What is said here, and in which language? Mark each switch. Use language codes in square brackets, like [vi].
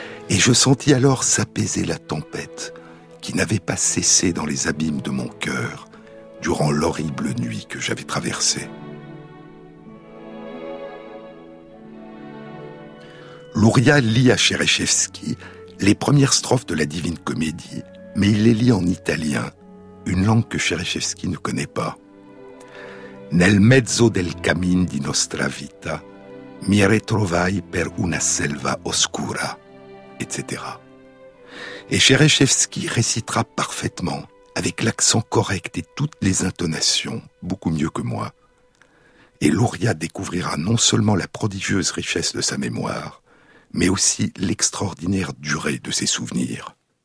[fr] Et je sentis alors s'apaiser la tempête qui n'avait pas cessé dans les abîmes de mon cœur durant l'horrible nuit que j'avais traversée. Luria lit à Chereshevski les premières strophes de la Divine Comédie, mais il les lit en italien, une langue que Chereshevski ne connaît pas. [it] « Nel mezzo del cammin di nostra vita, mi ritrovai per una selva oscura », etc. [fr] Et Chereshevski récitera parfaitement, avec l'accent correct et toutes les intonations, beaucoup mieux que moi. Et Luria découvrira non seulement la prodigieuse richesse de sa mémoire, mais aussi l'extraordinaire durée de ses souvenirs.